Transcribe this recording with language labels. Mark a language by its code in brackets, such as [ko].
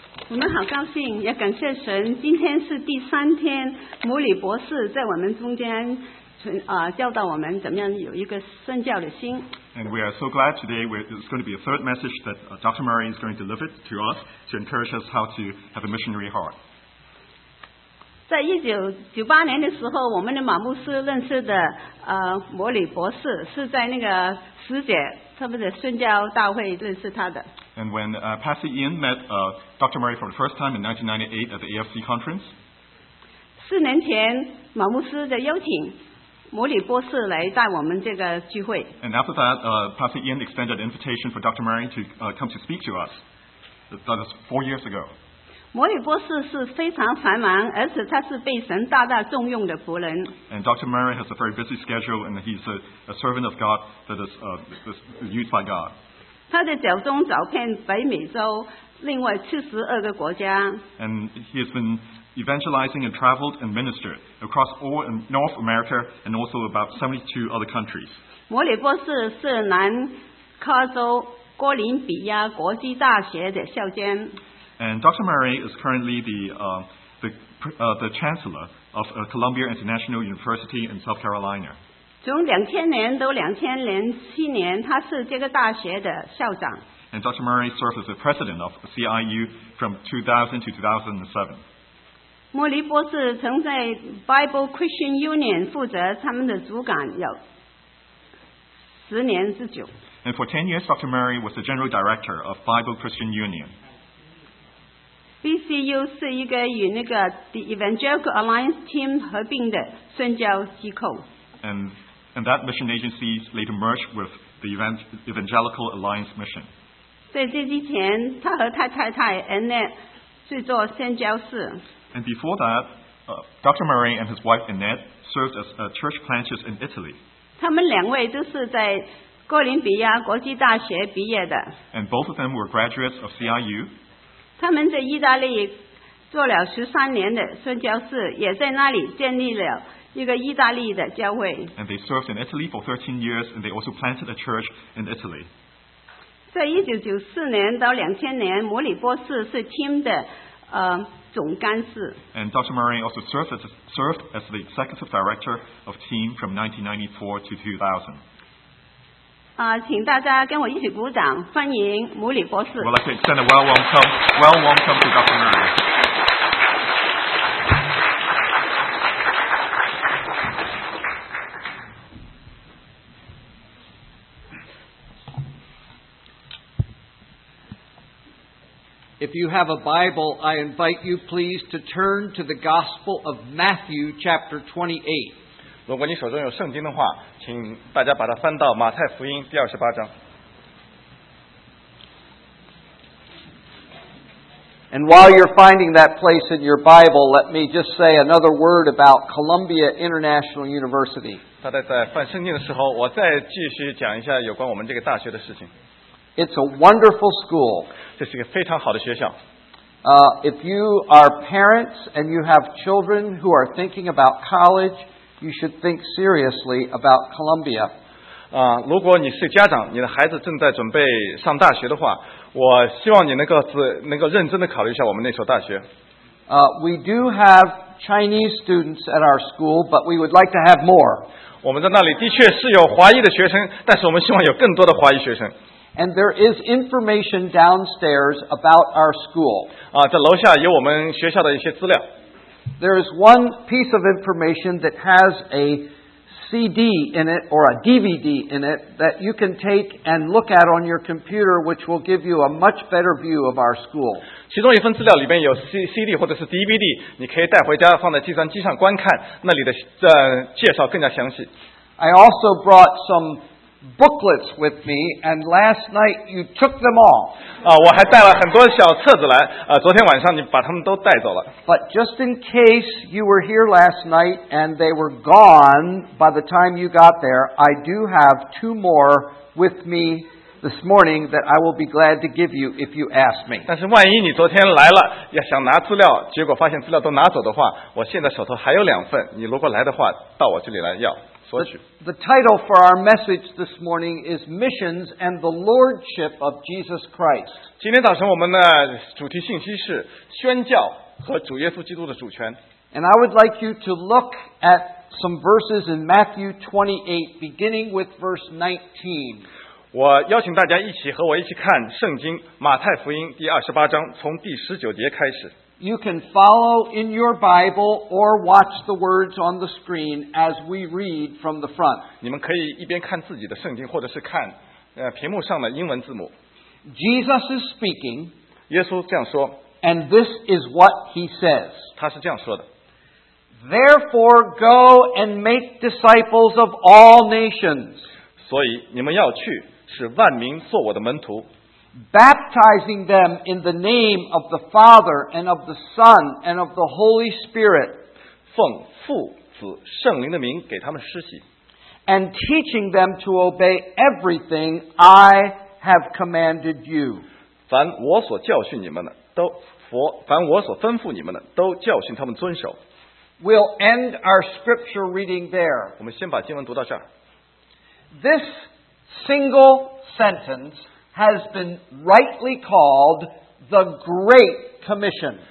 [zh] 我们好高兴，也感谢神，今天是第三天，母女博士在我们中间教导我们怎么样有一个圣教的心。 [en] And we are so glad today it's going to be a third message that Dr. Murray is going to deliver to us to encourage us how to have a missionary heart. [zh] 在1998年的时候，我们的马牧师认识的母女博士是在那个师姐他们的圣教大会认识他的。 [en] And when Pastor Ian met Dr. Murray for the first time in 1998 at the AFC conference, [zh] 四年前，马牧师的邀请，摩里博士来带我们这个聚会。 [en] And after that, Pastor Ian extended an invitation for Dr. Murray to come to speak to us. That was 4 years ago. [zh] 摩里博士是非常繁忙，而且他是被神大大重用的仆人。 [en] And Dr. Murray has a very busy schedule, and he's a servant of God that is used by God. [zh] 他的脚中走遍北美洲另外72个国家。 [en] And he has been evangelizing and traveled and ministered across all in North America and also about 72 other countries. [zh] 摩里博士是南加州哥伦比亚国际大学的校监。 [en] And Dr. Murray is currently the chancellor of Columbia International University in South Carolina. [zh] 从2000年到2007年，他是这个大学的校长。 [en] And Dr. Murray served as the president of CIU from 2000 to 2007. [zh] 摩里博士曾在 Bible Christian Union 负责他们的主管有十年之久。 [en] And for 10 years, Dr. Murray was the general director of Bible Christian Union. [zh] BCU 是一个与那个 The Evangelical Alliance Team 合并的宣教机构。 [en] And that mission agency later merged with the Evangelical Alliance mission. [zh] 在这之前，他和他太太 Annette 去做宣教士。 [en] And before that, Dr. Murray and his wife Annette served as church planters in Italy. [zh] 他们两位都是在哥伦比亚国际大学毕业的。 [en] And both of them were graduates of CIU. [zh] 他们在意大利做了13年的宣教士，也在那里建立了。一个意大利的教会。 [en] And they served in Italy for 13 years, and they also planted a church in Italy. [zh] 在1994年到2000年，摩里博士是 Team 的总干事。 [en] And Dr. Murray also served as the executive director of Team from 1994 to 2000. [zh] 请大家跟我一起鼓掌，欢迎摩里博士。 [en] We'd like to extend a well welcome to Dr. Murray. If you have a Bible, I invite you please to turn to the Gospel of Matthew chapter 28. [zh] 如果你手中有圣经的话，请大家把它翻到马太福音第二十八章。 [en] And while you're finding that place in your Bible, let me just say another word about Columbia International University. [zh] 大家在翻圣经的时候，我再继续讲一下有关我们这个大学的事情。 [en] It's a wonderful school. [zh] 这是一个非常好的学校。 [en] If you are parents and you have children who are thinking about college, you should think seriously about Columbia. [zh] 如果你是家长，你的孩子正在准备上大学的话，我希望你能够认真的考虑一下我们那所大学。 [en] We do have Chinese students at our school, but we would like to have more. [zh] 我们在那里的确是有华裔的学生，但是我们希望有更多的华裔学生。 [en] And there is information downstairs about our school. [zh] 在楼下有我们学校的一些资料。 [en] There is one piece of information that has a CD in it or a DVD in it that you can take and look at on your computer, which will give you a much better view of our school. [zh] 其中一份资料里面有 CD 或者是 DVD, 你可以带回家放在计算机上观看，那里的介绍更加详细。 [en] I also brought some. Booklets with me, and last night you took them all. [zh] 我还带了很多小册子来。昨天晚上你把他们都带走了。 [en] But just in case you were here last night and they were gone by the time you got there, I do have two more with me this morning that I will be glad to give you if you ask me. [zh] 但是万一你昨天来了，要想拿资料，结果发现资料都拿走的话，我现在手头还有两份。你如果来的话，到我这里来要。 [en] The title for our message this morning is Missions and the Lordship of Jesus Christ. [zh] 今天早晨我们的主题信息是宣教和主耶稣基督的主权。 [en] And I would like you to look at some verses in Matthew 28, beginning with verse 19. [zh] 我邀请大家一起和我一起看圣经马太福音第二十八章从第十九节开始。 [en] You can follow in your Bible or watch the words on the screen as we read from the front. [zh] 你们可以一边看自己的圣经或者是看屏幕上的英文字母。 [en] Jesus is speaking. [zh] 耶稣这样说。 [en] And this is what he says. [zh] 他是这样说的。 [en] Therefore, go and make disciples of all nations. [zh] 所以你们要去使万民做我的门徒。 [en] Baptizing them in the name of the Father and of the Son and of the Holy Spirit. [zh] 奉父子圣灵的名给他们施洗。 [en] And teaching them to obey everything I have commanded you. [zh] 凡我所教训你们的都凡我所吩咐你们的都教训他们遵守。 [en] We'll end our scripture reading there. [zh] 我们先把经文读到这儿。 [en] This single sentence has been rightly called the Great Commission.